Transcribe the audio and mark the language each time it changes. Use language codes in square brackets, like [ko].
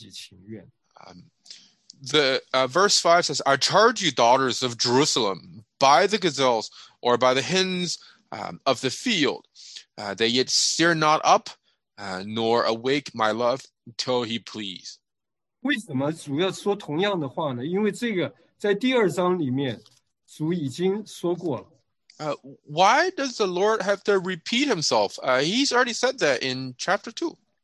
[zh] 这个王说的，耶路撒冷的众女子啊，我指着羚羊或田野的母鹿嘱咐你们，不要惊动，不要叫醒我所亲爱的，等他自己情愿。 [en] The verse 5 says, I charge you, daughters of Jerusalem, by the gazelles or by the hens of the field, that yet stir not up, nor awake my love till he please. [zh] 为什么主要说同样的话呢？因为这个。在第二章里面，主已经说过了。 [en] Why does the Lord have to repeat himself? He's already said that in chapter 2.